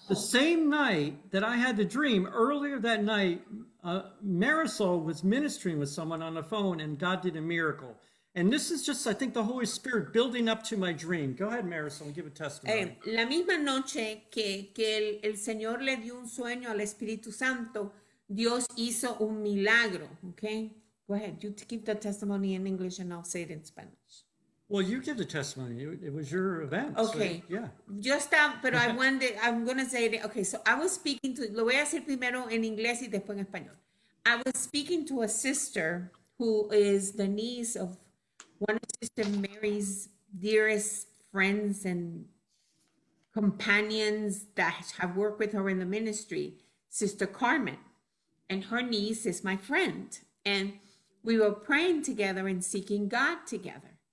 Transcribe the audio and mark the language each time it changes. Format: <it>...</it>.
<en>The same night that I had the dream, earlier that night, Marisol was ministering with someone on the phone and God did a miracle. And this is just, I think, the Holy Spirit building up to my dream. Go ahead, Marisol, give a testimony.</en> <es>La misma noche que el Señor le dio un sueño al Espíritu Santo, Dios hizo un milagro, okay?</es> <en>Go ahead, you give the testimony in English and I'll say it in Spanish. Well, you give the testimony. It was your event. Okay. So, yeah. Just that, but I wanted, I'm going to say it. Okay, so I was speaking to,</en> <es>lo voy a hacer primero en inglés y después en español.</es> <en>I was speaking to a sister who is the niece of one of Sister Mary's dearest friends and companions that have worked with her in the ministry, Sister Carmen. And her niece is my friend. And we were praying together and seeking God together.</en>